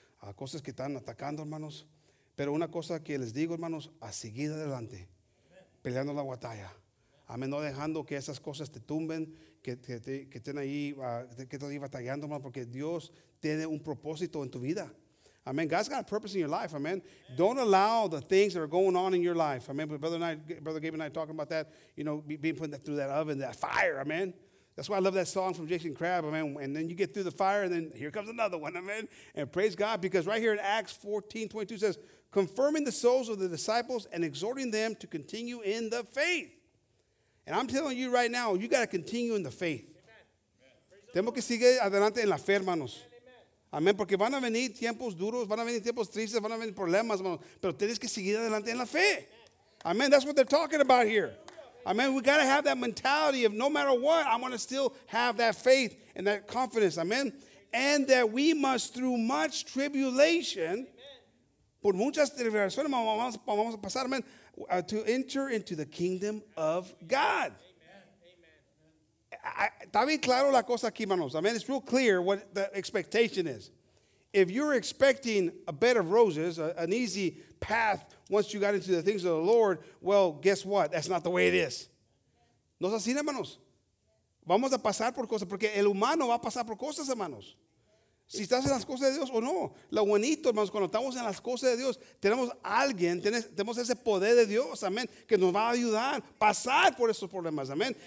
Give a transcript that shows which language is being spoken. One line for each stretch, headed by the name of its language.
Spanish: A cosas que están atacando, hermanos. Pero una cosa que les digo, hermanos, a seguir adelante, peleando la batalla. Amén. No dejando que esas cosas te tumben, que estén ahí, que estén ahí batallando, hermanos, porque Dios tiene un propósito en tu vida.
English: Amén. God's got a purpose in your life. Amén. Don't allow the things that are going on in your life. Amén. Brother Gabe and I talking about that, you know, being put through that oven, that fire. Amén. That's why I love that song from Jason Crabb, amen. And then you get through the fire, and then here comes another one, amen. And praise God, because right here in Acts 14:22 says, confirming the souls of the disciples and exhorting them to continue in the faith. And I'm telling you right now, you got to continue in the faith.
Spanish: Tenemos que seguir adelante en la fe, hermanos. Amen. Porque van a venir tiempos duros, van a venir tiempos tristes, van a venir problemas, hermanos. Pero tienes que seguir adelante en la fe.
English: Amen. That's what they're talking about here. Amen. We got to have that mentality of no matter what, I want to still have that faith and that confidence. Amen. And that we must, through much tribulation,
Spanish: por muchas tribulaciones, vamos a pasar,
English: amen, to enter into the kingdom of God. Amen.
Spanish: Está bien claro la cosa aquí, hermanos. Amen.
English: It's real clear what the expectation is. If you're expecting a bed of roses, an easy path once you got into the things of the Lord, well, guess what? That's not the way it is.
Spanish: No es así, hermanos. Vamos a pasar por cosas, porque el humano va a pasar por cosas, hermanos. Si estás en las cosas de Dios o no. Lo bonito, hermanos, cuando estamos en las cosas de Dios, tenemos alguien, tenemos ese poder de Dios, amén, que nos va a ayudar a pasar por esos problemas, amén.